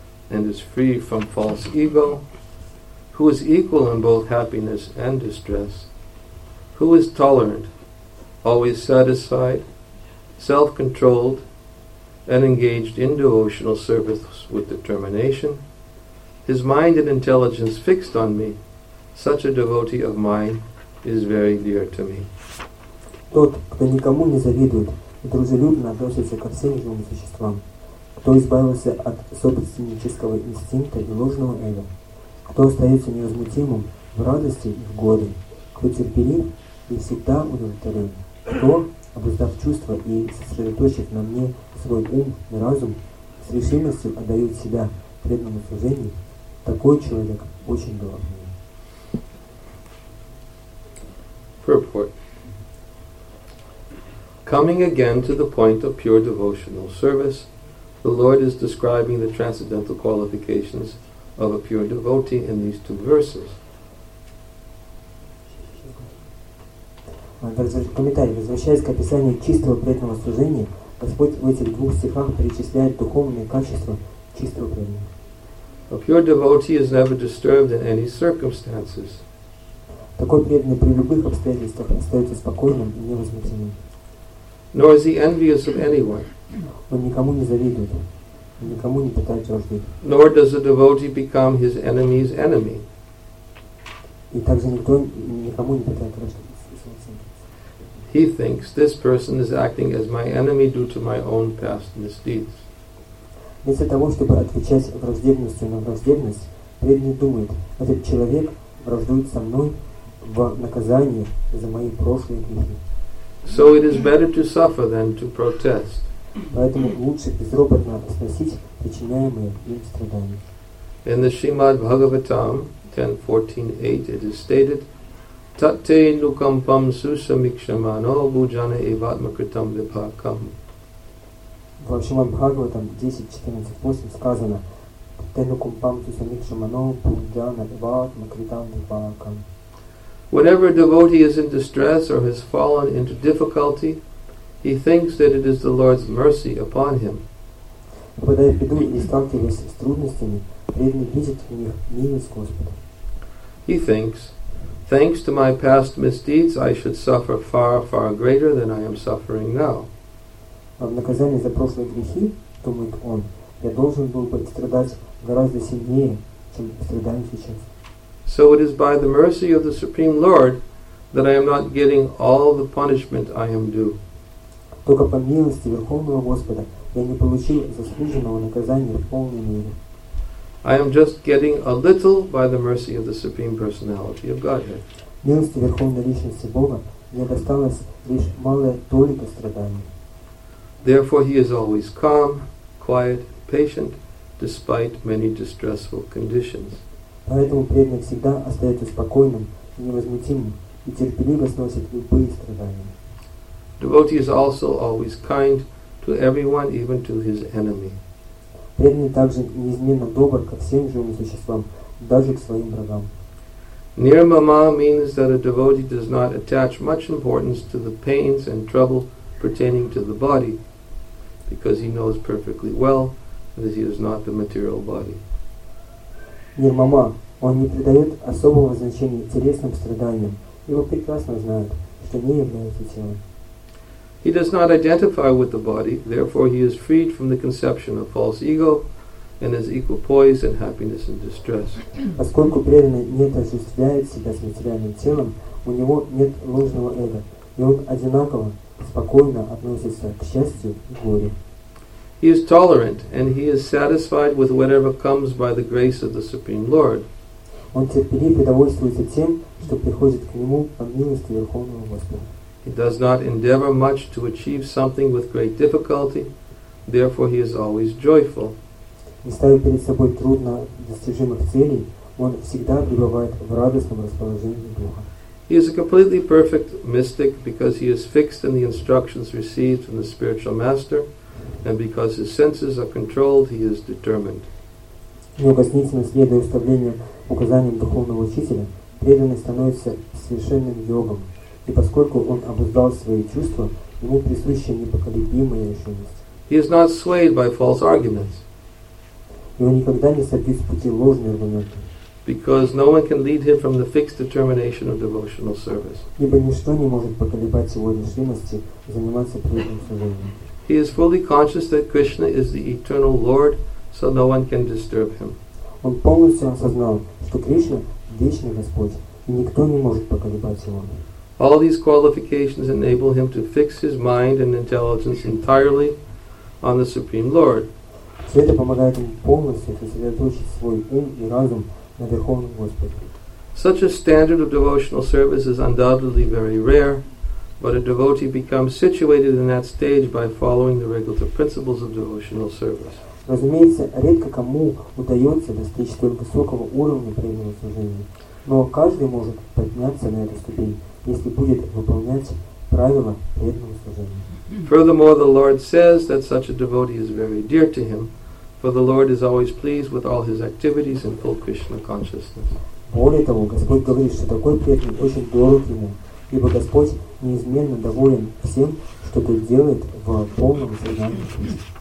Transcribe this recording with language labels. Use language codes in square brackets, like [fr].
[en] and is free from false ego, who is equal in both happiness and distress, who is tolerant, always satisfied, self-controlled, and engaged in devotional service with determination, his mind and intelligence fixed on me, such a devotee of mine is very dear to me. [ru] Тот, кто никому не завидует, дружелюбно относится ко всем живым существам, кто избавился от собственнического инстинкта и ложного эго, кто остается невозмутимым в радости и в горе, кто терпелив и всегда удовлетворен, кто, обуздав чувства и сосредоточив на мне свой ум и разум, с решимостью отдает себя преданному служению, такой человек очень дорог мне. [en] Coming again to the point of pure devotional service, the Lord is describing the transcendental qualifications of a pure devotee in these two verses. [ru] Комментарий. Возвращаясь к описанию чистого преданного служения, Господь в этих двух стихах перечисляет духовные качества чистого преданного. [en] A pure devotee is never disturbed in any circumstances. [ru] Такой преданный при любых обстоятельствах остается спокойным и невозмутимым. [en] Nor is he envious of anyone. [ru] Он никому не завидует. Он никому не питает вражды. [en] Nor does a devotee become his enemy's enemy. [ru] И также никто никому не питает вражды. [en] He thinks this person is acting as my enemy due to my own past misdeeds. [ru] Вместо того, чтобы отвечать враждебностью на враждебность, преданный думает, этот человек враждует со мной в наказание за мои прошлые грехи. [en] So it is better to suffer than to protest. [ru] Поэтому лучше безропотно сносить причиняемые им страдания. [en] In the Srimad Bhagavatam 10.14.8 it is stated, [sa] Tatte nukampam susamikshamano bhujana evatmakritam vipakam. [ru] В Srimad Bhagavatam 10.14.8 сказано, [sa] Tatte nukampam susamikshamano bhujana evatmakritam vipakam. [en] Whenever a devotee is in distress or has fallen into difficulty, he thinks that it is the Lord's mercy upon him. [ru] когда я приду и сталкиваюсь с трудностями, преданный видит в них милость Господа. [en] He thinks, thanks to my past misdeeds, I should suffer far, far greater than I am suffering now. [ru] В наказание за прошлые грехи, думает он, я должен был бы страдать гораздо сильнее, чем страдаю сейчас. [en] So it is by the mercy of the Supreme Lord that I am not getting all the punishment I am due. [ru] Только по милости Верховного Господа я не получил заслуженного наказания в полной мере. [en] I am just getting a little by the mercy of the Supreme Personality of Godhead. [ru] Милости Верховной Личности Бога мне досталось лишь малая толика страданий. [en] Therefore he is always calm, quiet, patient, despite many distressful conditions. [ru] Поэтому преданный всегда остается спокойным и невозмутимым и терпеливо сносит любые страдания. [en] Devotee is also always kind to everyone, even to his enemy. [ru] Преданный также неизменно добр ко всем живым существам, даже к своим врагам. [en] Nirmama means that a devotee does not attach much importance to the pains and trouble pertaining to the body, because he knows perfectly well that he is not the material body. [ru] Нирмама, он не придает особого значения телесным страданиям, ибо прекрасно знает, что не является телом. [en] He does not identify with the body, therefore he is freed from the conception of false ego and is equal poise in happiness and distress. [ru] Поскольку преданный не отождествляет себя с материальным телом, у него нет ложного эго, и он одинаково спокойно относится к счастью и горе. [en] He is tolerant and he is satisfied with whatever comes by the grace of the Supreme Lord. [ru] Он терпеливо довольствуется тем, что приходит к нему по милости Верховного Господа. [en] He does not endeavor much to achieve something with great difficulty, therefore he is always joyful. [ru] Не ставя перед собой трудно достижимых целей, он всегда пребывает в радостном расположении духа. [en] He is a completely perfect mystic because he is fixed in the instructions received from the spiritual master, and because his senses are controlled, he is determined. [ru] Неукоснительно следуя уставлениям, указаниям духовного учителя, преданный становится совершенным йогом. И поскольку он обуздал свои чувства, ему присуща непоколебимая решимость. [en] He is not swayed by false arguments. [ru] И он никогда не собьет с пути ложные аргументы. [en] Because no one can lead him from the fixed determination of devotional service. [ru] Ибо ничто не может поколебать его решимости заниматься преданным служением. [en] He is fully conscious that Krishna is the eternal Lord, so no one can disturb him. [ru] Он полностью осознал, что Кришна вечный Господь, и никто не может поколебать его. [en] All these qualifications enable him to fix his mind and intelligence entirely on the Supreme Lord. [ru] Все это помогает ему полностью сосредоточить свой ум и разум на Верховном Господе. [en] Such a standard of devotional service is undoubtedly very rare, but a devotee becomes situated in that stage by following the regulative principles of devotional service. [ru] Разумеется, редко кому удается достичь столь высокого уровня преданного служения, но каждый может подняться на эту ступень, если будет выполнять правила преданного служения. [en] Furthermore, the Lord says that such a devotee is very dear to him, for the Lord is always pleased with all his activities in full Krishna consciousness. [ru] Более того, Господь говорит, что такой преданный очень дорог ему, ибо Господь неизменно доволен всем, что тот делает в полном сознании Кришны.